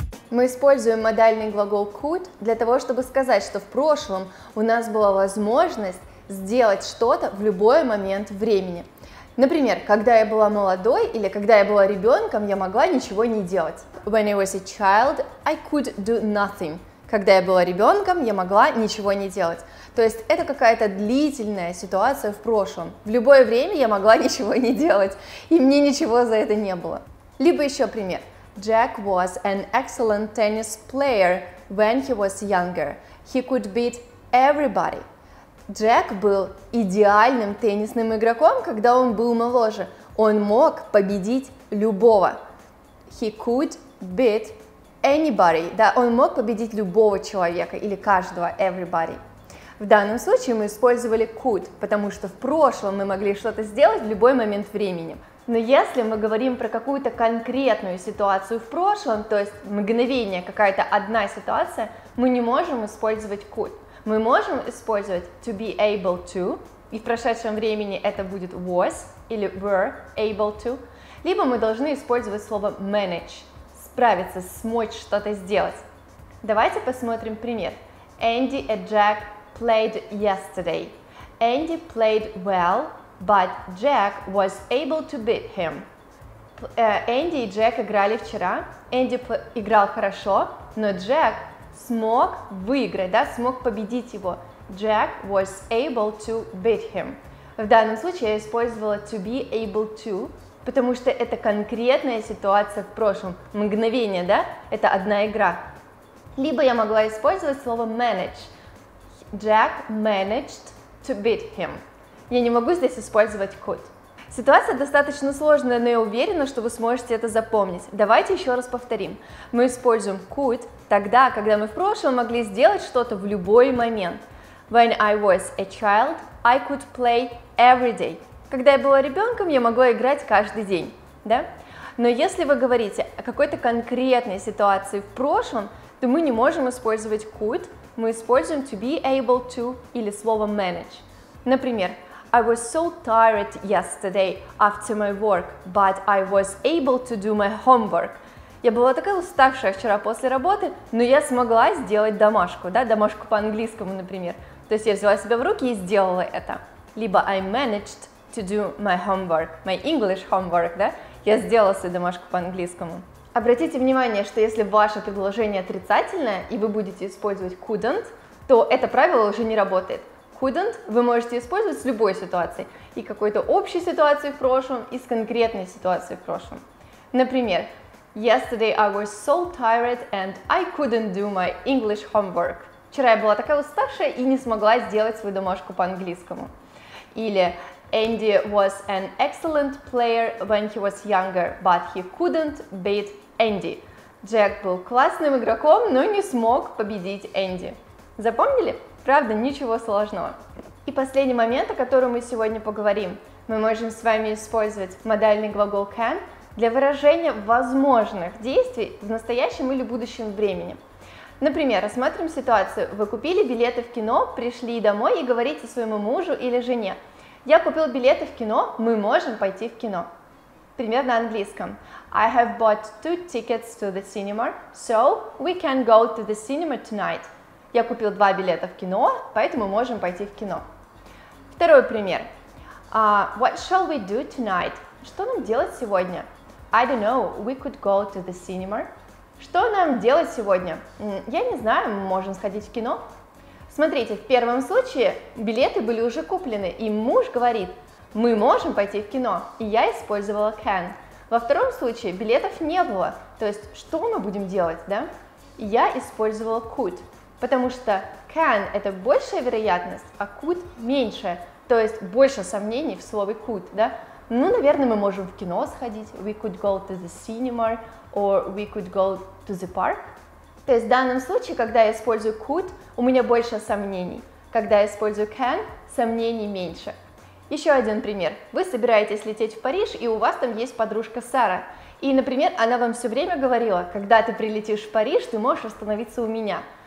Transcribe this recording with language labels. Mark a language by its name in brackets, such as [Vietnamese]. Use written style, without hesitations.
[Russian] Мы используем модальный глагол could для того, чтобы сказать, что в прошлом у нас была возможность сделать что-то в любой момент времени. Например, когда я была молодой или когда я была ребенком, я могла ничего не делать. [English] When I was a child, I could do nothing. [Russian] Когда я была ребенком, я могла ничего не делать. То есть это какая-то длительная ситуация в прошлом. В любое время я могла ничего не делать, и мне ничего за это не было. Либо еще пример. [English] Jack was an excellent tennis player when he was younger. He could beat everybody. [Russian] Джек был идеальным теннисным игроком, когда он был моложе. Он мог победить любого. [English] He could beat anybody. [Russian] Да, он мог победить любого человека или каждого, everybody. В данном случае мы использовали could, потому что в прошлом мы могли что-то сделать в любой момент времени. Но если мы говорим про какую-то конкретную ситуацию в прошлом, то есть мгновение, какая-то одна ситуация, мы не можем использовать could. Мы можем использовать to be able to, и в прошедшем времени это будет was или were able to, либо мы должны использовать слово manage, справиться, смочь что-то сделать. Давайте посмотрим пример. [English] Andy and Jack played yesterday. Andy played well, but Jack was able to beat him. [Russian] Andy и Jack играли вчера. Andy играл хорошо, но Jack смог выиграть, да, смог победить его. [English] Jack was able to beat him. [Russian] В данном случае я использовала to be able to, потому что это конкретная ситуация в прошлом. Мгновение, да, это одна игра. Либо я могла использовать слово manage. [English] Jack managed to beat him. [Russian] Я не могу здесь использовать could. Ситуация достаточно сложная, но я уверена, что вы сможете это запомнить. Давайте еще раз повторим. Мы используем could тогда, когда мы в прошлом могли сделать что-то в любой момент. [English] When I was a child, I could play every day. [Russian] Когда я была ребенком, я могла играть каждый день, да? Но если вы говорите о какой-то конкретной ситуации в прошлом, то мы не можем использовать could, мы используем to be able to или слово manage. [English] Например, I was so tired yesterday after my work, but I was able to do my homework. [Russian] Я была такая уставшая вчера после работы, но я смогла сделать домашку, да, домашку по-английскому, например. То есть я взяла себя в руки и сделала это. [English] Либо I managed to do my homework, my English homework, [Russian] да, я сделала свою домашку по-английскому. Обратите внимание, что если ваше предложение отрицательное, и вы будете использовать couldn't, то это правило уже не работает. Couldn't вы можете использовать с любой ситуацией, и какой-то общей ситуацией в прошлом, и с конкретной ситуацией в прошлом. [English] Например, yesterday I was so tired and I couldn't do my English homework. [Russian] Вчера я была такая уставшая и не смогла сделать свою домашку по-английскому. [English] Или Andy was an excellent player when he was younger, but he couldn't beat Andy. [Russian] Джек был классным игроком, но не смог победить Энди. Запомнили? Правда, ничего сложного. И последний момент, о котором мы сегодня поговорим. Мы можем с вами использовать модальный глагол can для выражения возможных действий в настоящем или будущем времени. Например, рассмотрим ситуацию. Вы купили билеты в кино, пришли домой и говорите своему мужу или жене. Я купил билеты в кино, мы можем пойти в кино. Пример на английском. [English] I have bought two tickets to the cinema, so we can go to the cinema tonight. [Russian] Я купил два билета в кино, поэтому можем пойти в кино. Второй пример. [English] What shall we do tonight? [Russian] Что нам делать сегодня? [English] I don't know, we could go to the cinema. [Russian] Что нам делать сегодня? Я не знаю, мы можем сходить в кино. Смотрите, в первом случае билеты были уже куплены, и муж говорит, мы можем пойти в кино, и я использовала can. Во втором случае билетов не было, то есть что мы будем делать, да? Я использовала could. Потому что can – это большая вероятность, а could – меньшая. То есть больше сомнений в слове could, да? Ну, наверное, мы можем в кино сходить. [English] We could go to the cinema or we could go to the park. [Russian] То есть в данном случае, когда я использую could, у меня больше сомнений. Когда я использую can, сомнений меньше. Еще один пример. Вы собираетесь лететь в Париж, и у вас там есть подружка Сара. И, например, она вам все время говорила, когда ты прилетишь в Париж, ты можешь остановиться у меня.